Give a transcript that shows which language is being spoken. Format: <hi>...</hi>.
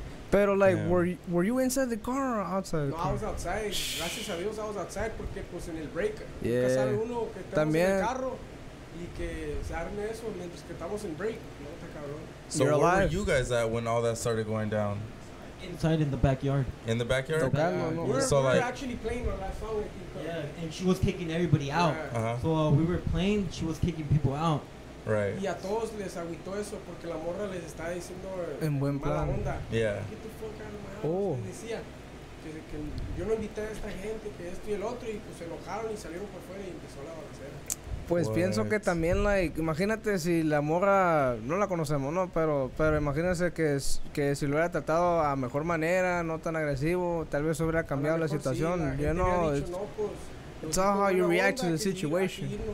<en>Pero like, were you inside the car or outside? No, I was outside. Gracias a Dios, I was outside</en> <es>porque pues en el break.</es> <en>Yeah.</en> <es>Nunca sabe uno que estamos en el carro y que se arme eso mientras que estamos en break.</es> <en>So where were you guys at when all that started going down? Inside in the backyard. In the backyard? No. We were actually playing our last song with people. Yeah, and she was kicking everybody out. Yeah. Uh-huh. So we were playing, she was kicking people out. Right.</en> <es>Y a todos les agüitó eso porque la morra les estaba diciendo en buen plan. Mala onda.</es> <en>Yeah. Get the fuck out of my house.</en> <es>Decía que yo no invité a esta gente, que esto y el otro, y pues se enojaron y salieron por fuera y empezó la balacera.</es> <en>Pues what?</en> <es>Pienso que también, like, imagínate si la morra, no la conocemos, ¿no? Pero imagínese que si lo hubiera tratado a mejor manera, no tan agresivo, tal vez hubiera cambiado la situación. Sí,</es> <en>you know,</en> <es>dicho, no, pues,</es> <en>it's all how you react to the situation.</en>